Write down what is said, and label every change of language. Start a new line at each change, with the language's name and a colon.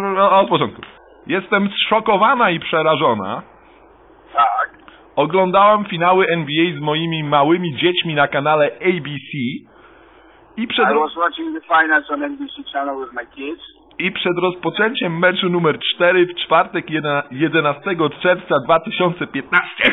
Polish: od początku. Jestem zszokowana i przerażona. Tak. Oglądałam finały NBA z moimi małymi dziećmi na kanale ABC. I przed...
English: I was watching the finals on NBC channel with my kids.
Polish: I przed rozpoczęciem meczu numer 4 w czwartek 11 czerwca 2015.